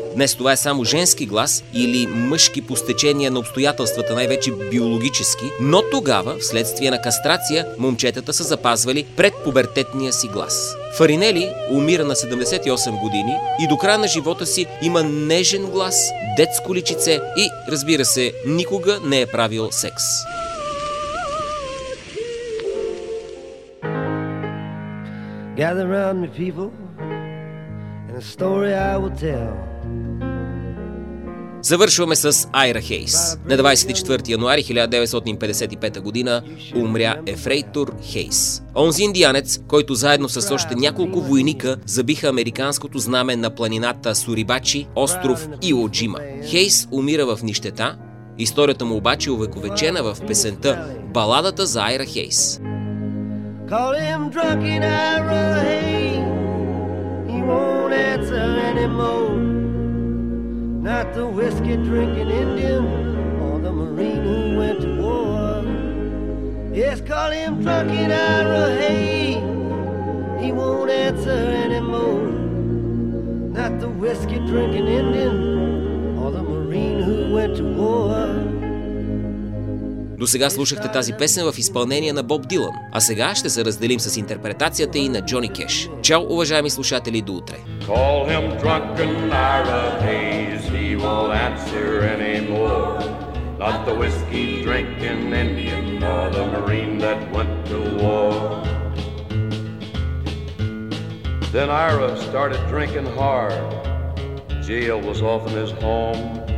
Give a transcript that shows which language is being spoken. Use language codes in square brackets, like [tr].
[bg] Днес това е само женски глас или мъжки по стечение на обстоятелствата, най-вече биологически, но тогава, вследствие на кастрация, момчетата са запазвали предпубертетния си глас. Фаринели умира на 78 години и до края на живота си има нежен глас, детско личице и, разбира се, никога не е правил секс. [en] Gather round me, people, and a story I will tell. [bg] Завършваме с Айра Хейс. На 24 януари 1955 година умря Ефрейтор Хейс. Онзи индианец, който заедно с още няколко войника забиха американското знаме на планината Сурибачи, остров Иоджима. Хейс умира в нищета Историята му обаче е увековечена в песента «Баладата за Айра Хейс». [en] Call him drunk in Ira Hayes. He won't answer anymore. Not the whiskey drinking Indian or the Marine who went to war. Yes, call him drunk in Ira Hayes. He won't answer anymore. Not the whiskey drinking Indian or the Marine who went to war. [bg] До сега слушахте тази песен в изпълнение на Боб Дилан, а сега ще се разделим с интерпретацията и на Джони Кеш. Чао, уважаеми слушатели, до утре! [en] Call him drunken Ira Hayes, he won't answer anymore. Not the whiskey drinking Indian or the Marine that went to war. Then Ira started drinking hard, jail was often his home.